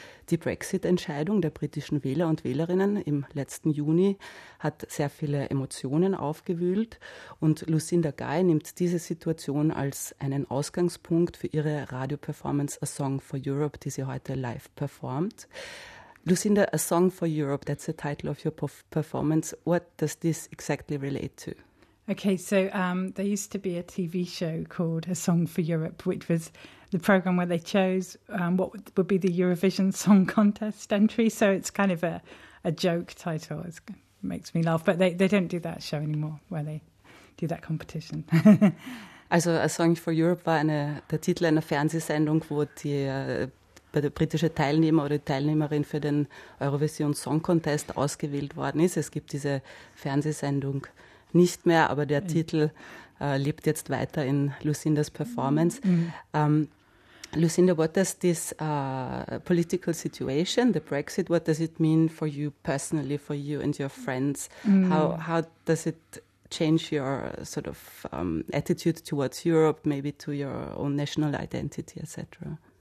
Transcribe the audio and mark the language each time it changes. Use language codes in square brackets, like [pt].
[de] Die Brexit-Entscheidung der britischen Wähler und Wählerinnen im letzten Juni hat sehr viele Emotionen aufgewühlt und Lucinda Guy nimmt diese Situation als einen Ausgangspunkt für ihre Radio-Performance A Song for Europe, die sie heute live performt. [en] Lucinda, A Song for Europe, that's the title of your performance. What does this exactly relate to? Okay, so there used to be a TV show called A Song for Europe, which was the program where they chose what would be the Eurovision Song Contest entry. So it's kind of a joke title. It makes me laugh. But they don't do that show anymore, where they do that competition. [de] Also A Song for Europe war der Titel einer Fernsehsendung, wo die britische Teilnehmer oder Teilnehmerin für den Eurovision Song Contest ausgewählt worden ist. Es gibt diese Fernsehsendung nicht mehr, aber der Titel lebt jetzt weiter in Lucindas Performance. [en] Lucinda, what does this political situation, the Brexit, what does it mean for you personally, for you and your friends? How does it change your sort of attitude towards Europe, maybe to your own national identity, etc.?